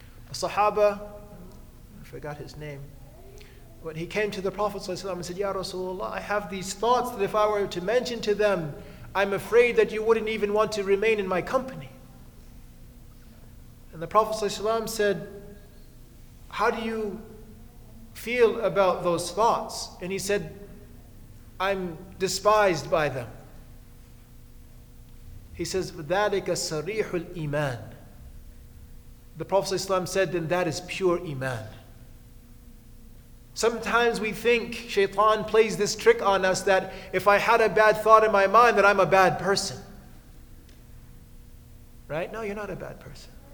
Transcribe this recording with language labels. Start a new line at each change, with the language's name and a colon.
English: A Sahaba, I forgot his name, but he came to the Prophet ﷺ and said, Ya Rasulullah, I have these thoughts that if I were to mention to them, I'm afraid that you wouldn't even want to remain in my company. And the Prophet ﷺ said, how do you feel about those thoughts? And he said, I'm despised by them. He says,
Arabic: ذَلِكَ صَرِيحُ الْإِيمَانِ.
English: The Prophet ﷺ said, then that is pure iman. Sometimes we think Shaytan plays this trick on us that if I had a bad thought in my mind, that I'm a bad person. Right? No, you're not a bad person.